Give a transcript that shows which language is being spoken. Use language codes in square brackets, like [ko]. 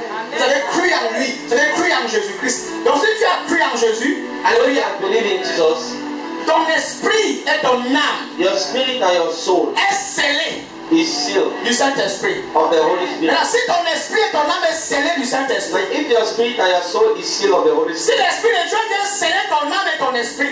[fr] Vous avez cru en lui, vous avez cru en Jésus-Christ. Donc si tu as cru en Jésus, alléluia. [en] Believe in Jesus. [fr] Ton esprit et ton âme. [en] Your spirit and your soul. [fr] Est scellé. [en] Is sealed. [fr] Du Saint-Esprit. [en] Of the Holy Spirit. [fr] Alors, si ton esprit et ton âme est scellé du Saint-Esprit. [en] If your spirit and your soul is sealed of the Holy Spirit. [fr] Si l'esprit de Dieu vient sceller ton âme et ton esprit.